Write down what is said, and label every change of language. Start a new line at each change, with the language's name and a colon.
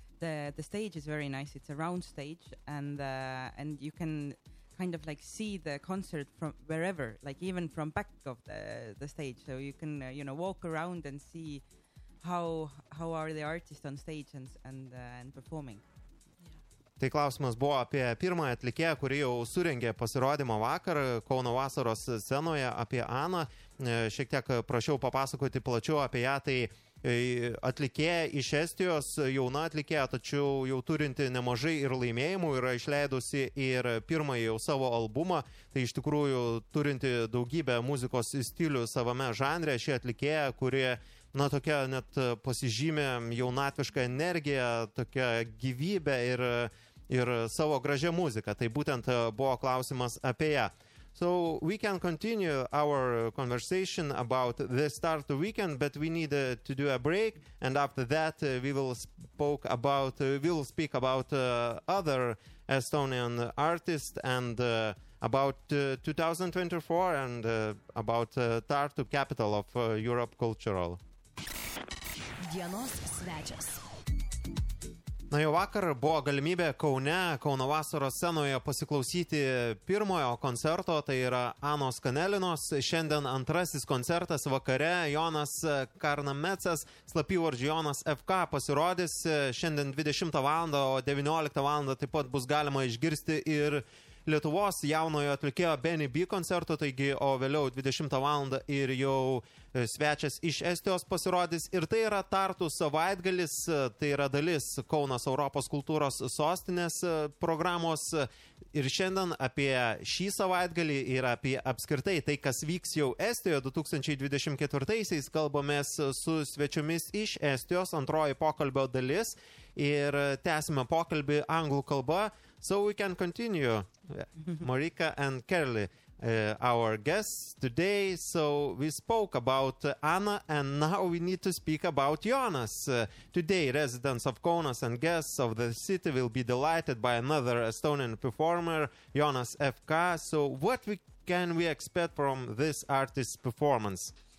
English: The stage is very nice. It's a round stage, and you can kind of like see the concert from wherever, like even from back of the stage, so you can walk around and see how are the artists on stage and performing.
Lithuanian: Tai klausimas buvo apie pirmąją atlikėją, kuri jau surengė pasirodymą vakar Kauno vasaros scenoje, apie Aną. Šiek tiek prašiau papasakoti plačiau apie ją. Tai atlikėja iš Estijos, jauna atlikėja, tačiau jau turinti nemažai ir laimėjimų, yra išleidusi ir pirmąjį jau savo albumą, tai iš tikrųjų turinti daugybę muzikos stilių savame žanre, ši atlikėja, kuri, na, tokia net pasižymė jaunatviška energija, tokia gyvybė ir savo gražią muziką, tai būtent buvo klausimas apie ją.
English: So we can continue our conversation about the start of weekend, but we need to do a break, and after that we will speak about other Estonian artists and about 2024 and about Tartu, capital of Europe cultural.
Lithuanian: Dienos svečias. Na, jau vakar buvo galimybė Kaune, Kauno vasaros scenoje pasiklausyti pirmojo koncerto, tai yra Anos Kanelinos. Šiandien antrasis koncertas vakare, Jonas Karnamecas, slapyvardžiu Jonas FK, pasirodys. Šiandien 20 valandą, o 19 valandą taip pat bus galima išgirsti ir Lietuvos jaunojo atlikėjo Benny B koncerto, taigi, o vėliau 20 valandą ir jau svečias iš Estijos pasirodys. Ir tai yra Tartu savaitgalis, tai yra dalis Kaunas Europos kultūros sostinės programos. Ir šiandien apie šį savaitgalį ir apie apskritai tai, kas vyks jau Estijoje 2024-aisiais, kalbamės su svečiomis iš Estijos, antroji pokalbio dalis, ir tęsime pokalbį anglų kalba.
English: So we can continue, Marika and Kerli, our guests today. So we spoke about Anna, and now we need to speak about Jonas. Today, residents of Kaunas and guests of the city will be delighted by another Estonian performer, Jonas FK. So what can we expect from this artist's performance?